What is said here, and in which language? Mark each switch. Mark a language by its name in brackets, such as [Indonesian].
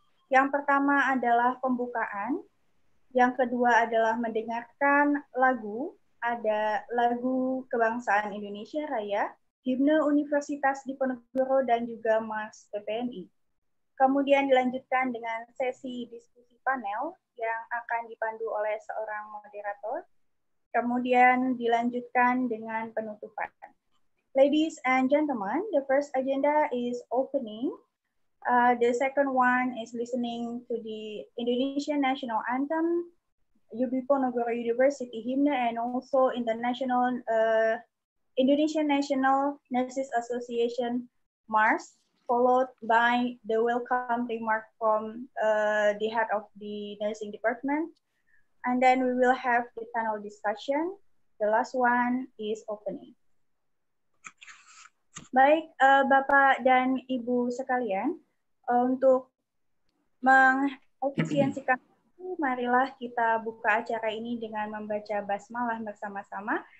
[Indonesian] Yang pertama adalah pembukaan, yang kedua adalah mendengarkan lagu, ada lagu Kebangsaan Indonesia Raya, Himne Universitas Diponegoro, dan juga Mars PPNI. Kemudian dilanjutkan dengan sesi diskusi panel yang akan dipandu oleh seorang moderator. Kemudian dilanjutkan dengan penutupan. [English] Ladies and gentlemen, the first agenda is opening. The second one is listening to the Indonesian National Anthem, Diponegoro University Hymne, and also International Indonesian National Nurses Association (MARS), followed by the welcome remark from the head of the nursing department. And then we will have the panel discussion. The last one is opening. [Indonesian] Baik, Bapak dan Ibu sekalian, untuk mengefisiensikan, marilah kita buka acara ini dengan membaca basmalah bersama-sama.